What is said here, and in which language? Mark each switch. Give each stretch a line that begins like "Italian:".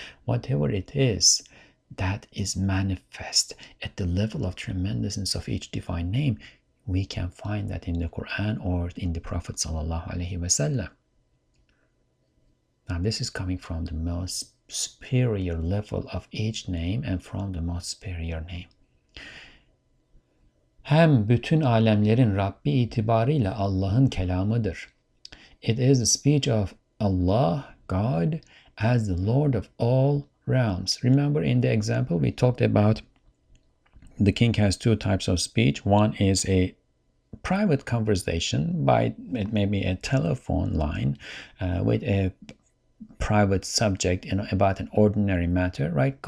English: Whatever it is, that is manifest at the level of tremendousness of each divine name, we can find that in the Quran or in the Prophet
Arabic: sallallahu alaihi wasallam.
English: Now this is coming from the most superior level of each name and from the most superior name.
Turkish: Hem bütün alemlerin Rabbi itibarıyla Allah'ın kelamıdır.
English: It is the speech of Allah, God, as the Lord of all realms. Remember in the example we talked about, the king has two types of speech. One is a private conversation by maybe a telephone line with a private subject, you know, about an ordinary matter, right?